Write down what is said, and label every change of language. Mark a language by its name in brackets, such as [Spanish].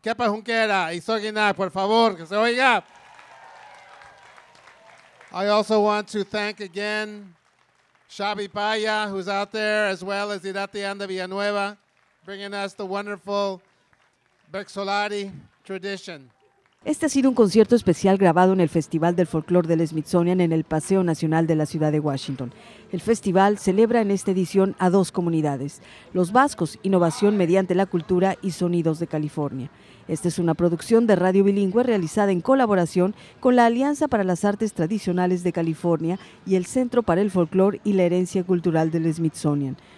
[Spanish] Kepa Junquera, Isoginak, por favor, que se oiga. [English] I also want to thank again Xavi Paya, who's out there, as well as Irati Anda Villanueva, bringing us the wonderful Bexolari tradition. [Spanish] Este ha sido un concierto especial grabado en el Festival del Folclor del Smithsonian en el Paseo Nacional de la Ciudad de Washington. El festival celebra en esta edición a dos comunidades, los vascos, innovación mediante la cultura y sonidos de California. Esta es una producción de Radio Bilingüe realizada en colaboración con la Alianza para las Artes Tradicionales de California y el Centro para el Folclor y la Herencia Cultural del Smithsonian.